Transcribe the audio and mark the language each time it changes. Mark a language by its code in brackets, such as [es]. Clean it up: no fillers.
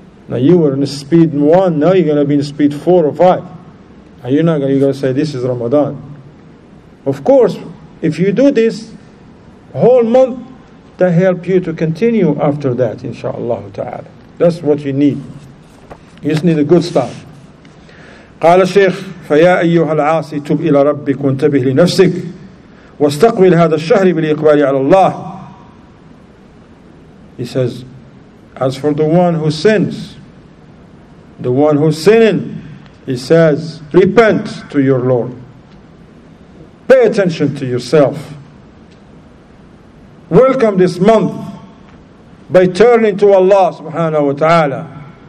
[en] Now you were in speed 1, now you're going to be in speed 4 or 5. And you're not going to, you're going to say, this is Ramadan. Of course, if you do this whole month, that help you to continue after that, inshallah ta'ala. That's what you need. You just need a good start. [ar] قال الشيخ فيا أيها العاصي تب إلى ربك وانتبه لنفسك واستقبل هذا الشهر بالإقبال على الله. [en] He says, as for the one who sins, the one who's sinning, he says, repent to your Lord. Pay attention to yourself. Welcome this month by turning to Allah subhanahu wa ta'ala.